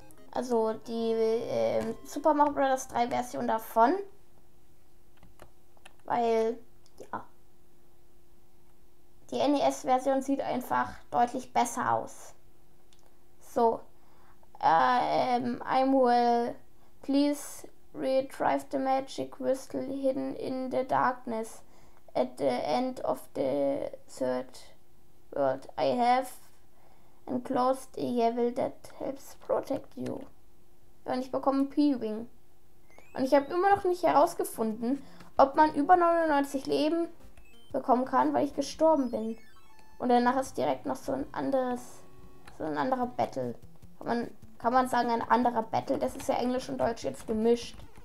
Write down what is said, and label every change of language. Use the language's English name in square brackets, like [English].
[German] Also die Super Mario Bros. 3 Version davon. Weil, ja. Die NES-Version sieht einfach deutlich besser aus. [English] So. I'm well. Please retrieve the magic crystal hidden in the darkness at the end of the third world. I have enclosed a level that helps protect you. [German] Und ich bekomme einen P-Wing. Und ich habe immer noch nicht herausgefunden, ob man über 99 Leben bekommen kann, weil ich gestorben bin. Und danach ist direkt noch so ein anderer Battle. Kann man sagen, ein anderer Battle? Das ist ja Englisch und Deutsch jetzt gemischt.